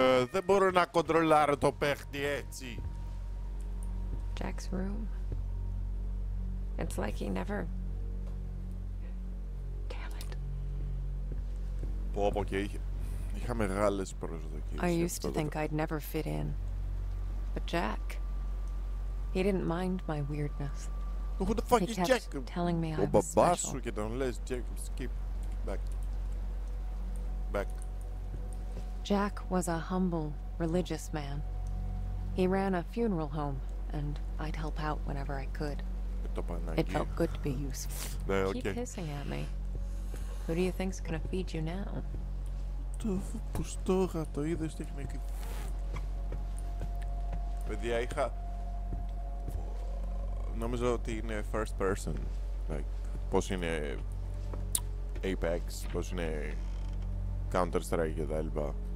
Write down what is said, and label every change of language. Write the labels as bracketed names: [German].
[Greek] Δεν μπορώ να κοντρολάρω το παίχτη έτσι. [English] Jack's room. It's like he never. Damn it. [Greek] Πω πω και είχα μεγάλες προσδοκίες. [English] I used to think I'd never fit in, but Jack, he didn't mind my weirdness. Who the fuck is Jack? He kept telling me I was special. Don't let Jack skip back. Back. Jack was a humble, religious man. He ran a funeral home, and I'd help out whenever I could. It felt good to be useful. Yeah, okay. Keep hissing at me. Who do you think's gonna feed you now? [Greek] Το φουστόγα, το είδες τεχνική. Παιδιά, είχα... Νόμιζα ότι είναι [English] first person. Like, [Greek] πώς είναι... Apex, πώς είναι... Counter-Strike και τα λοιπά.